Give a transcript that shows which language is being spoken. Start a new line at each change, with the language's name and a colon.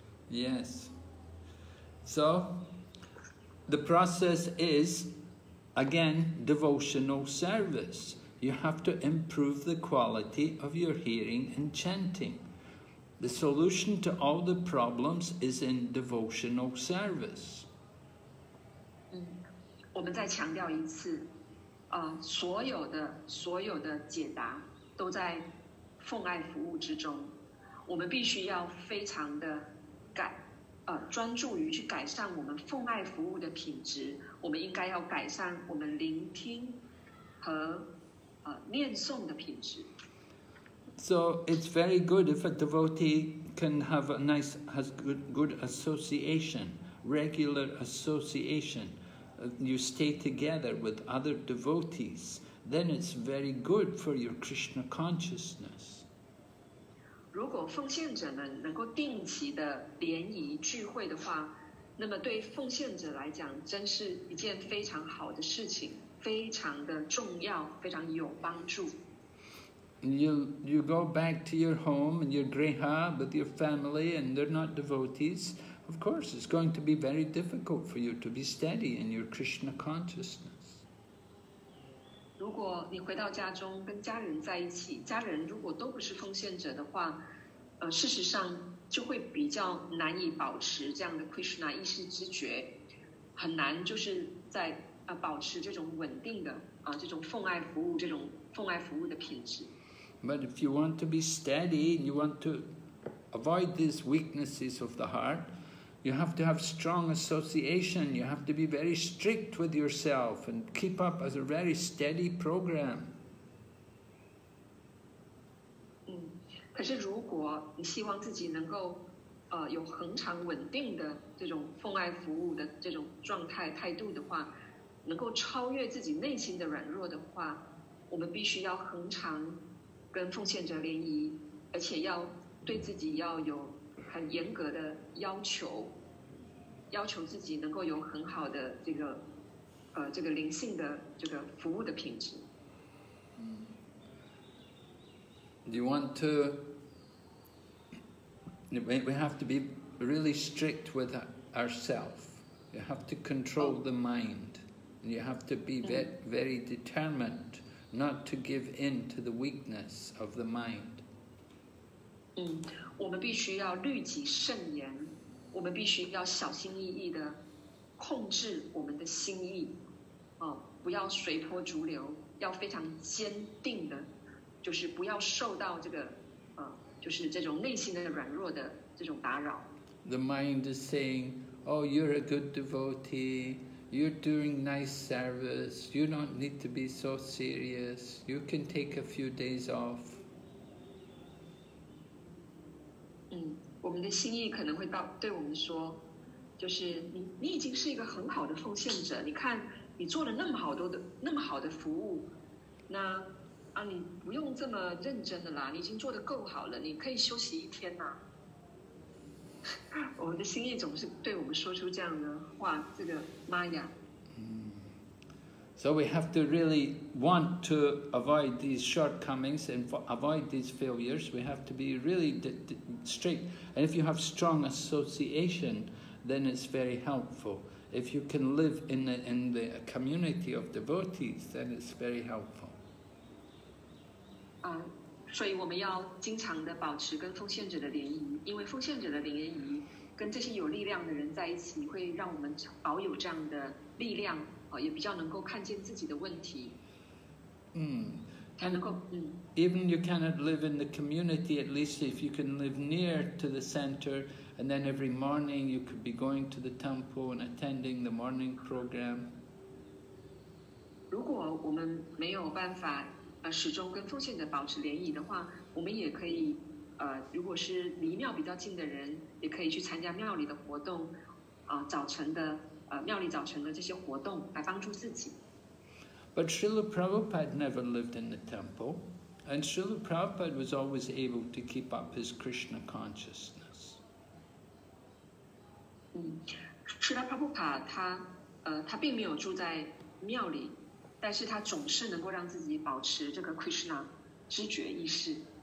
English: Yes. So the process is, again, devotional service. You have to improve the quality of your hearing and chanting. The solution to all the problems is in devotional service.
Chinese: 我们再强调一次，所有的解答都在奉爱服务之中。我们必须要非常的专注于去改善我们奉爱服务的品质。我们应该要改善我们聆听和念诵的品质。
English: So it's very good if a devotee can have a nice, has good association, regular association. You stay together with other devotees, then it's very good for your Krishna consciousness.
Chinese: 如果奉献者们能够定期的联谊聚会的话，那么对奉献者来讲，真是一件非常好的事情。非常的重要，非常有帮助。
English: You go back to your home and your griha with your family and they're not devotees. Of course, it's going to be very difficult for you to be steady in your Krishna consciousness.
Chinese: 如果你回到家中跟家人在一起，家人如果都不是奉献者的话，事实上就会比较难以保持这样的 Krishna 意识知觉，很难就是在。保持这种稳定的这种奉爱服务，这种奉爱服务的品质。
English: But if you want to be steady, and you want to avoid these weaknesses of the heart, you have to have strong association. You have to be very strict with yourself and keep up as a very steady program.
Chinese: 可是如果你希望自己能够有恒常稳定的这种奉爱服务的这种状态态度的话。能够超越自己内心的软弱的话，我们必须要恒常跟奉献者联谊，而且要对自己要有很严格的要求，要求自己能够有很好的这个灵性的这个服务的品质。
English: Do you want to? We have to be really strict with ourselves. You have to control the mind. You have to be very determined not to give in to the weakness of the mind.
Chinese: 嗯，我们必须要律己慎言，我们必须要小心翼翼的控制我们的心意，哦，不要随波逐流，要非常坚定的，就是不要受到这个，就是这种内心的软弱的这种打扰。
English: The mind is saying, "Oh, you're a good devotee. You're doing nice service. You don't need to be so serious. You can take a few days off."
Chinese: 嗯，我们的心意可能会到对我们说，就是你已经是一个很好的奉献者。你看，你做了那么好的服务，那啊，你不用这么认真的啦。你已经做得够好了，你可以休息一天啦。我们的心意总是对我们说出这样的话，这个玛雅。
English: So we have to really want to avoid these shortcomings and avoid these failures. We have to be really strict. And if you have strong association, then it's very helpful. If you can live in the community of devotees, then it's very helpful.
Chinese: 所以我们要经常的保持跟奉献者的联谊，因为奉献者的联谊跟这些有力量的人在一起，会让我们保有这样的力量，也比较能够看见自己的问题。
English: Even you cannot live in the community, at least if you can live near to the center, and then every morning you could be going to the temple and attending the morning program.
Chinese: 如果我们没有办法始终跟奉献者保持联谊的话，我们也可以如果是离庙比较近的人，也可以去参加庙里的活动，早晨的庙里早晨的这些活动来帮助自己。
English: But Srila Prabhupada never lived in the temple, and Srila Prabhupada was always able to keep up his Krishna consciousness.
Chinese: Srila Prabhupada, 他并没有住在庙里，但是他总是能够让自己保持这个 Krishna 知觉意识。